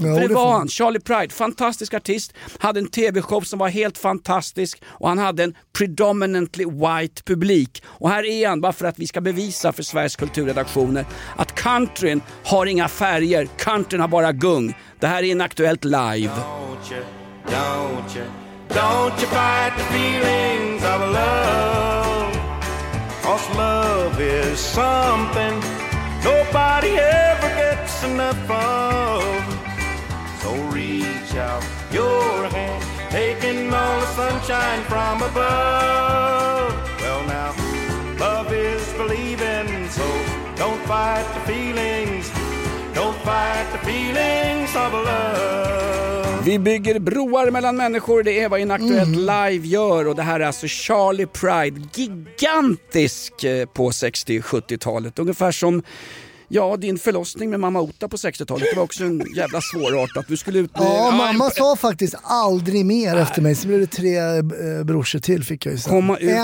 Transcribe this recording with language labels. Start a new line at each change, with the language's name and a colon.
Swedish: För det var han, Charlie Pride, fantastisk artist. Hade en tv-show som var helt fantastisk. Och han hade en
English: predominantly white
Swedish: publik. Och här är han, bara för att vi ska bevisa för Sveriges kulturredaktioner att countryn har inga färger, countryn har bara gung. Det här är Inaktuellt Live.
English: Don't you fight the feelings of love, 'cause love is something nobody ever gets enough of. So reach out your hand, taking all the sunshine from above. Well now, love is believing, so don't fight the feelings, don't fight the feelings of love.
Swedish: Vi bygger broar mellan människor, det är vad Inaktuellt Live gör. Och det här är alltså Charlie Pride, gigantisk på 60-70-talet. Ungefär som Ja, din förlossning med mamma Ota på 60-talet, det var också en jävla svårart att du skulle ut. Ja, mamma sa faktiskt aldrig mer efter mig. Så blev det tre brorsor till, fick jag ju säga.